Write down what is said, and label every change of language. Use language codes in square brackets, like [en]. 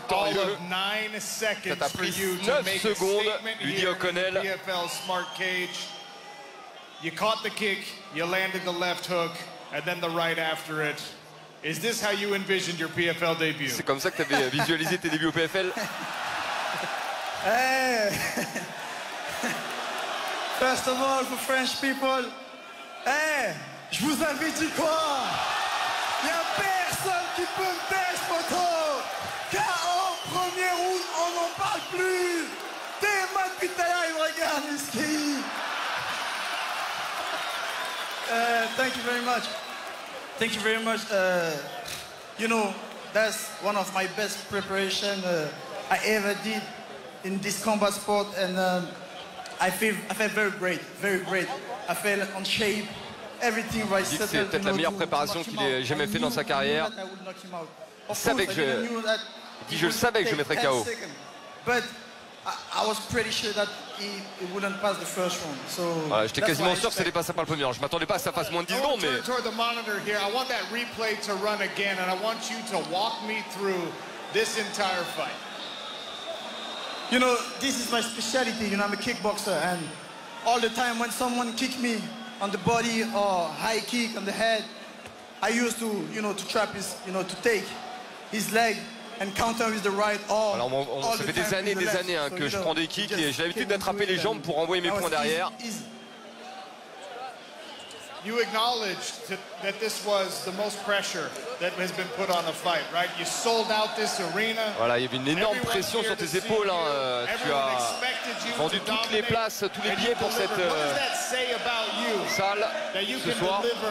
[en] all of 9 seconds for you to make a statement here in the PFL Smart Cage. You caught the kick, you landed the left hook, and then the right after it. Is this how you envisioned your PFL debut? [fr] C'est comme ça que tu avais visualisé tes débuts au PFL. Hey. [en] First of all, for French people, hey. [fr] Je vous avais dit quoi? Y'a personne qui peut me baisser, photo! K.O. premier round, on n'en parle plus! T'es ma pitaya, il me regarde, Miski! [en] Thank you very much. Thank you very much. You know, that's one of my best preparations I ever did in this combat sport. And I feel very great, very great. I feel on shape. [fr] Il dit que c'est peut-être la meilleure préparation qu'il ait jamais fait dans sa carrière. Il dit je le savais que je mettrais KO. [en] But I was pretty sure that he wouldn't pass the first round. So [fr] ouais, j'étais quasiment sûr que ça allait passer par le premier round. Je m'attendais pas à ça fasse moins de 10 secondes, mais [en] toward the monitor here. I want that replay to run again and I want you to walk me through this entire fight. You know, this is my specialty. You know, I'm a kickboxer and all the time when someone kick me on the body or high kick on the head, I used to, you know, to trap his, you know, to take his leg. And counter with the right arm. [fr] Alors, ça fait des années et des années que je prends des kicks et j'ai l'habitude d'attraper les jambes pour envoyer mes poings derrière. [en] You acknowledged that this was the most pressure that has been put on a fight, right? You sold out this arena. [fr] Voilà, il y avait une énorme pression sur tes épaules. Hein. Tu as vendu toutes les places, tous les billets pour cette salle ce soir.